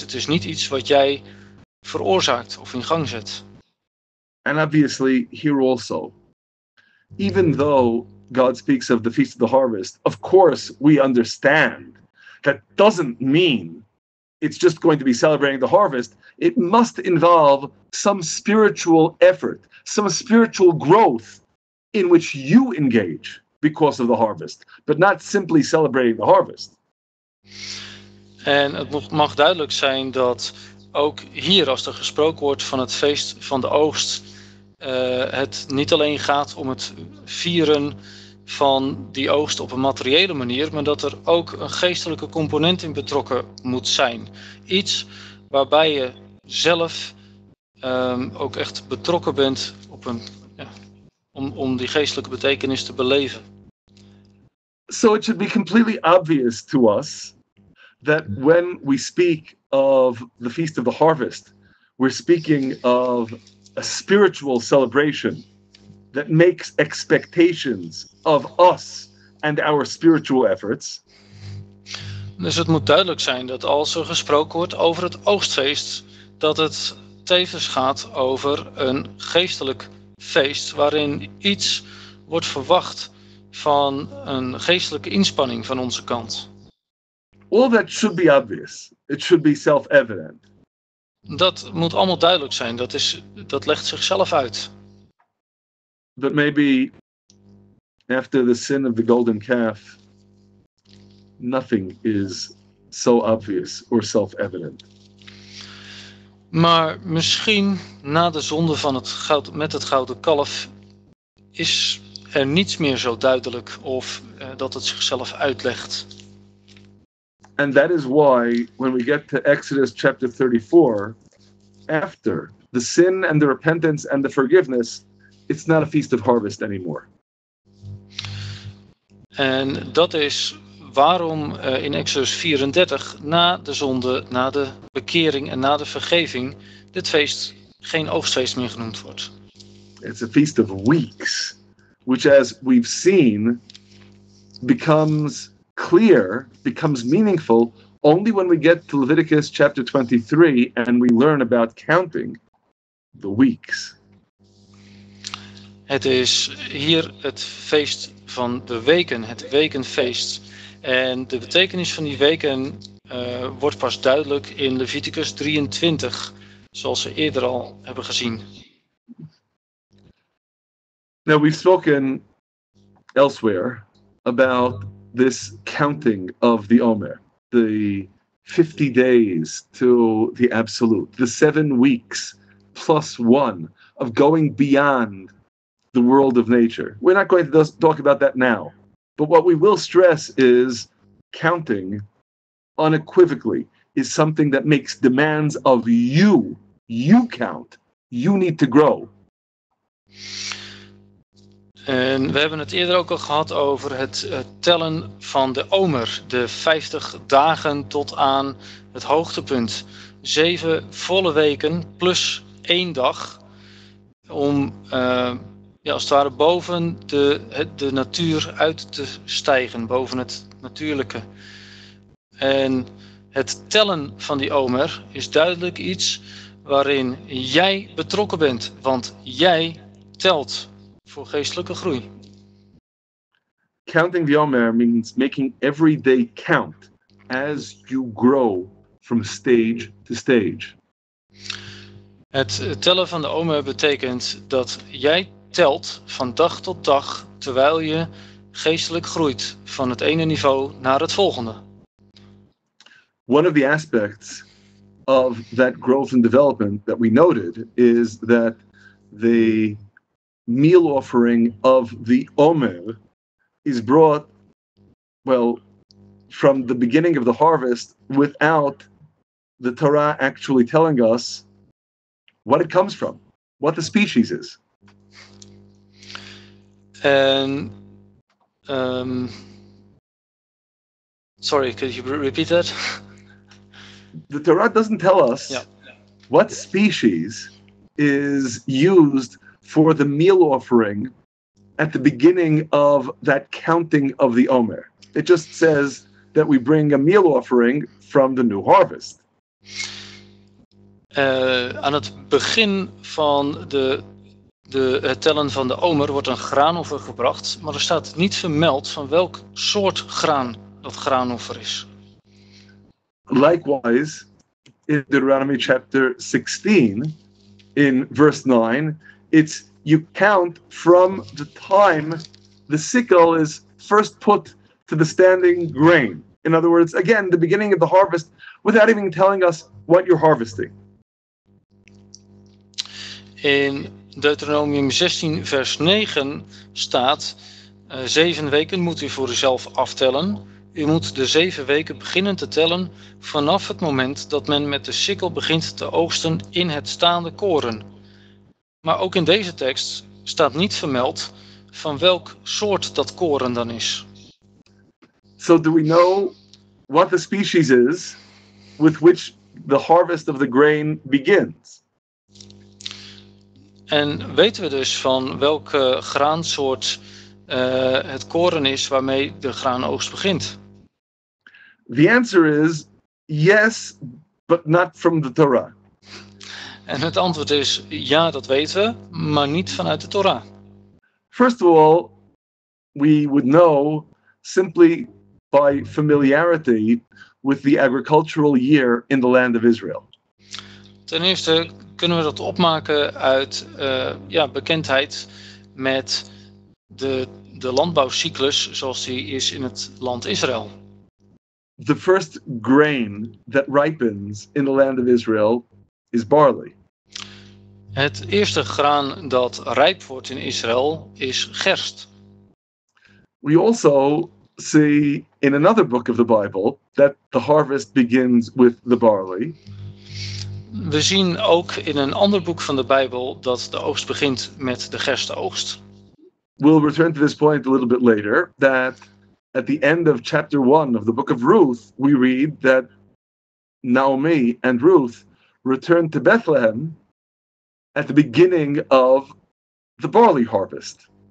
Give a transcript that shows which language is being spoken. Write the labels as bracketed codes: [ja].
[nl] Het is niet iets wat jij veroorzaakt of in gang zet. [en] And obviously here also, even though God speaks of the Feast of the Harvest, of course we understand that doesn't mean it's just going to be celebrating the harvest. It must involve some spiritual effort, some spiritual growth in which you engage because of the harvest, but not simply celebrating the harvest. [nl] En het mag duidelijk zijn dat ook hier, als er gesproken wordt van het feest van de oogst, het niet alleen gaat om het vieren van die oogst op een materiële manier, maar dat er ook een geestelijke component in betrokken moet zijn. Iets waarbij je zelf ook echt betrokken bent op een, ja, om die geestelijke betekenis te beleven. [en] So it should be completely obvious to us that when we speak of the Feast of the Harvest, we're speaking of a spiritual celebration that makes expectations of us and our spiritual efforts. [nl] Dus het moet duidelijk zijn dat als er gesproken wordt over het oogstfeest, dat het tevens gaat over een geestelijk feest waarin iets wordt verwacht van een geestelijke inspanning van onze kant. [en] All that should be obvious. It should be self-evident. [nl] Dat moet allemaal duidelijk zijn. Dat legt zichzelf uit. [en] But maybe after the sin of the golden calf, nothing is so obvious or self-evident. [nl] Maar misschien na de zonde van het goud, met het gouden kalf, is er niets meer zo duidelijk of dat het zichzelf uitlegt. [en] And that is why when we get to Exodus chapter 34, after the sin and the repentance and the forgiveness, it's not a feast of harvest anymore. [nl] En dat is waarom in Exodus 34, na de zonde, na de bekering en na de vergeving, dit feest geen oogstfeest meer genoemd wordt. [en] It's a feast of weeks, which as we've seen, becomes clear, becomes meaningful, only when we get to Leviticus chapter 23 and we learn about counting the weeks. [nl] Het is hier het feest van de weken, het wekenfeest. En de betekenis van die weken wordt pas duidelijk in Leviticus 23, zoals we eerder al hebben gezien. [en] Now we've spoken elsewhere about this counting of the Omer, the 50 days to the absolute, the 7 weeks plus one of going beyond the world of nature. We're not going to talk about that now, but what we will stress is counting unequivocally is something that makes demands of you. You count. You need to grow. [nl] En we hebben het eerder ook al gehad over het tellen van de Omer, de 50 dagen tot aan het hoogtepunt. 7 volle weken plus 1 dag om als het ware boven de natuur uit te stijgen, boven het natuurlijke. En het tellen van die Omer is duidelijk iets waarin jij betrokken bent, want jij telt voor geestelijke groei. [en] Counting the Omer means making every day count as you grow from stage to stage. [nl] Het tellen van de Omer betekent dat jij telt van dag tot dag terwijl je geestelijk groeit van het ene niveau naar het volgende. [en] One of the aspects of that growth and development that we noted is that the meal offering of the Omer is brought, well, from the beginning of the harvest without the Torah actually telling us what it comes from, what the species is. And sorry, could you repeat that? The Torah doesn't tell us what species is used for the meal offering at the beginning of that counting of the Omer. It just says that we bring a meal offering from the new harvest. [nl] Aan het begin van het tellen van de Omer wordt een graanoffer gebracht, maar er staat niet vermeld van welk soort graan dat graanoffer is. [en] Likewise, in Deuteronomy chapter 16, in verse 9, it's you count from the time the sickle is first put to the standing grain. In other words, again, the beginning of the harvest without even telling us what you're harvesting. [nl] In Deuteronomium 16 vers 9 staat, 7 weken moet u voor uzelf aftellen. U moet de 7 weken beginnen te tellen vanaf het moment dat men met de sikkel begint te oogsten in het staande koren. Maar ook in deze tekst staat niet vermeld van welk soort dat koren dan is. [en] So do we know what the species is with which the harvest of the grain begins? [nl] En weten we dus van welke graansoort het koren is waarmee de graanoogst begint? [en] The answer is yes, but not from the Torah. [nl] En het antwoord is ja, dat weten we, maar niet vanuit de Torah. [en] First of all, we would know simply by familiarity with the agricultural year in the land of Israel. [nl] Ten eerste kunnen we dat opmaken uit bekendheid met de landbouwcyclus zoals die is in het land Israël. [en] The first grain that ripens in the land of Israel is barley. [nl] Het eerste graan dat rijp wordt in Israël is gerst. [en] We also see in another book of the Bible that the harvest begins with the barley. [nl] We zien ook in een ander boek van de Bijbel dat de oogst begint met de gerstoogst. [en] We'll return to this point a little bit later, that at the end of chapter 1 of the book of Ruth, we read that Naomi and Ruth return to Bethlehem at the beginning of the barley harvest.